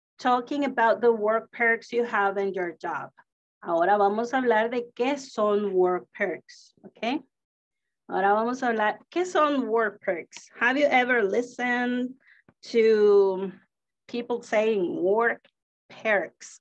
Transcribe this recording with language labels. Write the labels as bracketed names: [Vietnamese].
[English] talking about the work perks you have in your job. [Spanish] Ahora vamos a hablar de qué son work perks, okay? Ahora vamos a hablar, ¿qué son work perks? [English] Have you ever listened to people saying work perks?